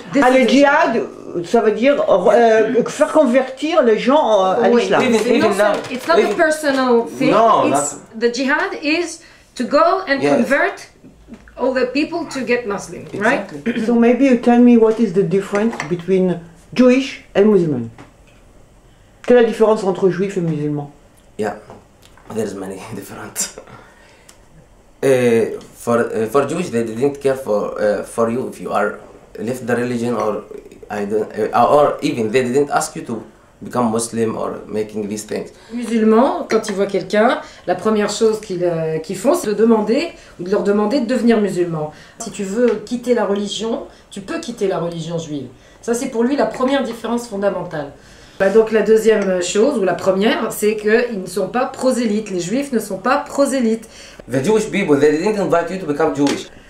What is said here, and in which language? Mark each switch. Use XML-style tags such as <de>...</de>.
<en>This</en> <fr>le jihad, ça veut dire faire convertir les gens à l'islam.</fr> <en>It's not a personal thing. No, the jihad is to go and convert all the people to get Muslim, exactly. Right? So maybe you tell me what is the difference between Jewish and Muslim.</en> <fr>Quelle est la différence entre juifs et musulmans?</fr> <en>Yeah, there's many different. For Jewish, they didn't care for you if you are left the religion or I don't or even they didn't ask you to become Muslim or making these things.</en> <fr>Musulmans, quand ils voient quelqu'un, la première chose qu'ils font, c'est de demander ou de leur demander de devenir musulman. Si tu veux quitter la religion, tu peux quitter la religion juive. Ça, c'est pour lui la première différence fondamentale. Bah donc la deuxième chose, ou la première, c'est qu'ils ne sont pas prosélytes. Les juifs ne sont pas prosélytes.</fr> <en>The Jewish people, they didn't invite you to become Jewish.</en>